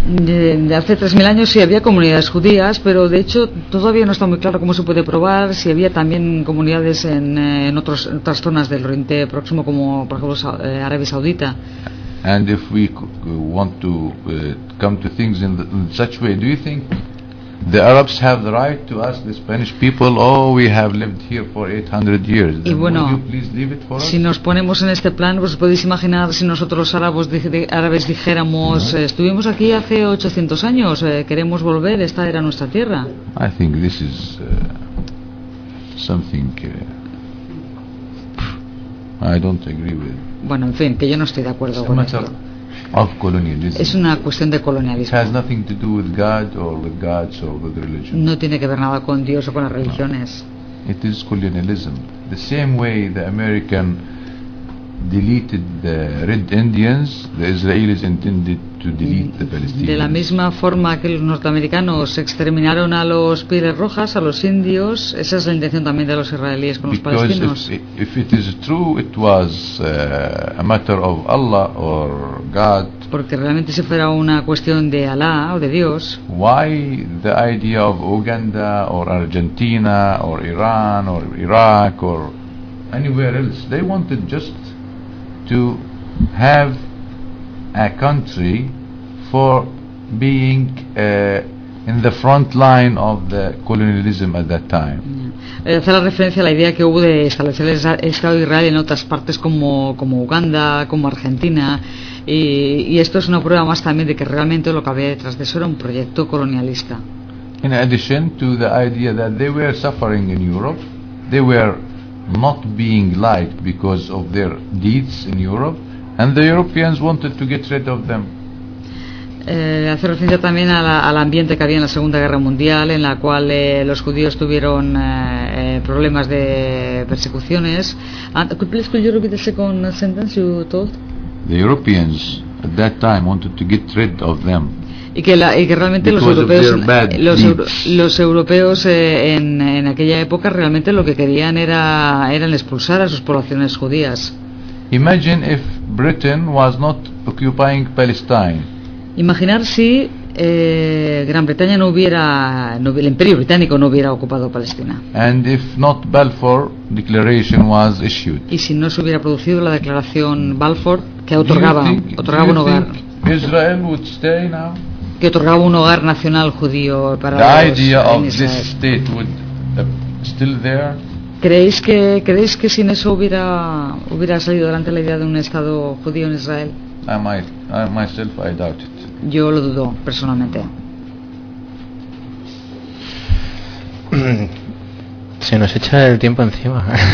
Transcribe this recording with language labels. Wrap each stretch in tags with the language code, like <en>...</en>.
<es>De hace 3000 años sí había comunidades judías, pero de hecho todavía no está muy claro cómo se puede probar si había también comunidades en otras zonas del Oriente Próximo, como por ejemplo Arabia Saudita.</es> <en>And if we want to come to things in such way, do you think the Arabs have the right to ask the Spanish people, oh, we have lived here for 800 years,</en> <es>y bueno,</es> <en>will you please leave it for</en> <es>si</es> <en>us?</en> <es>Nos ponemos en este plan, pues podéis imaginar si nosotros los árabes dijéramos, no. Estuvimos aquí hace 800 años, queremos volver, esta era nuestra tierra.</es> <en>I think this is something I don't agree with.</en> <es>Bueno, en fin, que yo no estoy de acuerdo con esto.</es> <en>Of colonialism.</en> <es>Es una cuestión de colonialismo.</es> <en>It has nothing to do with God or with gods or with religion.</en> <es>No tiene que ver nada con Dios o con las religiones.</es> <en>No. It is colonialism. The same way the American deleted the Red Indians, the Israelis intended to delete the Palestinians.</en> <es>De la misma forma que los norteamericanos exterminaron a los pieles rojas, a los indios, esa es la intención también de los israelíes con</es> <en>Because</en> <es>los palestinos.</es> <en>If it is true, it was a matter of Allah or God.</en> <es>Porque realmente si fuera una cuestión de Alá o de Dios.</es> <en>Why the idea of Uganda or Argentina or Iran or Iraq or anywhere else? They wanted just to have a country for being in the front line of the colonialism at that time.</en> <es>Hace la referencia a la idea que hubo de establecer el Estado de Israel en otras partes como Uganda, como Argentina, y esto es una prueba más también de que realmente lo que había detrás de eso era un proyecto colonialista.</es> <en>In addition to the idea that they were suffering in Europe, they were not being liked because of their deeds in Europe, and the Europeans wanted to get rid of them.</en> <es>Hace referencia también al ambiente que había en la Segunda Guerra Mundial, en la cual los judíos tuvieron problemas de persecuciones.</es> <en>Could you repeat the second sentence you told? The Europeans at that time wanted to get rid of them.</en> <es>Y que realmente los europeos en aquella época realmente lo que querían eran expulsar a sus poblaciones judías.</es> <en>Imagine if Britain was not occupying Palestine.</en> <es>Imaginar si Gran Bretaña el Imperio Británico no hubiera ocupado Palestina.</es> <en>And if not Balfour Declaration was issued.</en> <es>Y si no se hubiera producido la declaración Balfour que otorgaba un hogar.</es> <en>Israel would stay now.</en> <es>Que otorgaba un hogar nacional judío para</es> <en>the idea of this state would still there?</en> <es>¿Creéis que sin eso hubiera salido adelante la idea de un estado judío en Israel?</es> <en>I doubt it.</en> <es>Yo lo dudo personalmente. Se nos echa el tiempo encima.</es>